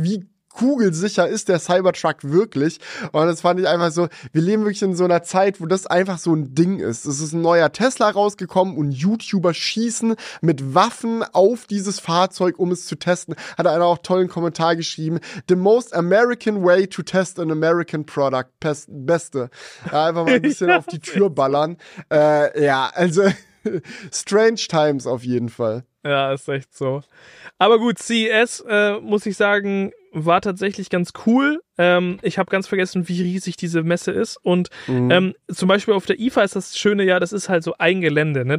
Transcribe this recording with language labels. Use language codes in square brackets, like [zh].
[de] Wie kugelsicher ist der Cybertruck wirklich? Und das fand ich einfach so, wir leben wirklich in so einer Zeit, wo das einfach so ein Ding ist. Es ist ein neuer Tesla rausgekommen und YouTuber schießen mit Waffen auf dieses Fahrzeug, um es zu testen. Hat einer auch tollen Kommentar geschrieben. [en] The most American way to test an American product. [de] Beste. Ja, einfach mal ein bisschen auf die Tür ballern. Ja, also [en] strange times [de] auf jeden Fall. Ja, ist echt so. Aber gut, CES, muss ich sagen, war tatsächlich ganz cool. Ich habe ganz vergessen, wie riesig diese Messe ist. Und zum Beispiel auf der IFA ist das Schöne, ja, das ist halt so ein Gelände. Ne?